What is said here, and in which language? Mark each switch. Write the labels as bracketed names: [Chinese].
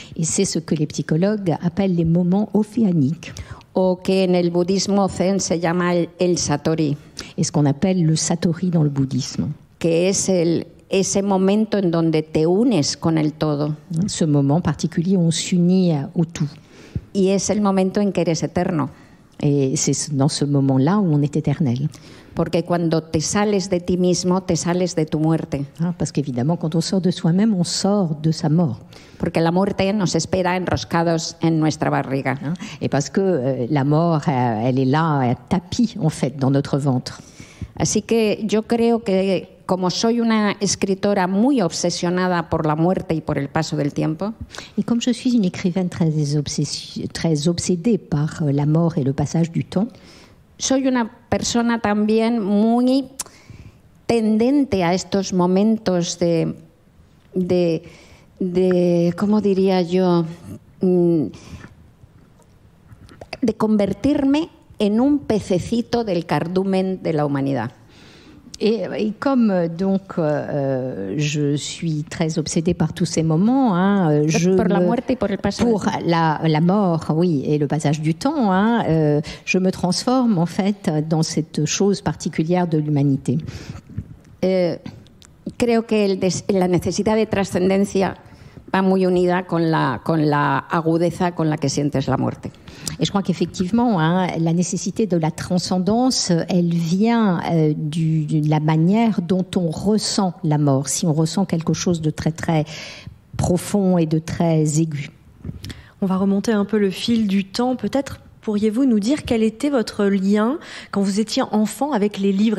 [French] Et c'est ce que les psychologues appellent les moments océaniques. [Spanish] O que en el budismo zen se llama el satori. [French] Et ce qu'on appelle le satori dans le bouddhisme. [Spanish] Que es el ese momento en donde te unes con el todo. [French] Ce moment particulier où on s'unit au tout. [Spanish] Y es el momento en que eres eterno. [French] Et c'est dans ce moment-là où on est éternel. [Spanish] Porque cuando te sales de ti mismo, te sales de tu muerte. [French] Ah, parce qu'évidemment, quand on sort de soi-même, on sort de sa mort. [Spanish] Porque la muerte nos espera enroscados en nuestra barriga. Ah, [French] et parce que la mort, elle est là, tapis, en fait, dans notre ventre. [Spanish] Así que yo creo que, como soy una escritora muy obsesionada por la muerte y por el paso del tiempo. [French] Et comme je suis une écrivaine très obsédée par la mort et le passage du temps. [Spanish] Soy una persona también muy tendente a estos momentos de ¿cómo diría yo? De convertirme en un pececito del cardumen de la humanidad. [French] Et comme donc je suis très obsédée par tous ces moments, hein, je pour la mort et pour le passage pour la mort, oui, et le passage du temps, hein, je me transforme en fait dans cette chose particulière de l'humanité. [Spanish] Creo que la necesidad de trascendencia va muy unida con la agudeza con la que sientes la muerte. [French] Et je crois qu'effectivement, hein, la nécessité de la transcendance, elle vient de la manière dont on ressent la mort, si on ressent quelque chose de très très profond et de très aigu. On va remonter un peu le fil du temps. Peut-être pourriez-vous nous dire quel était votre lien quand vous étiez enfant avec les livres?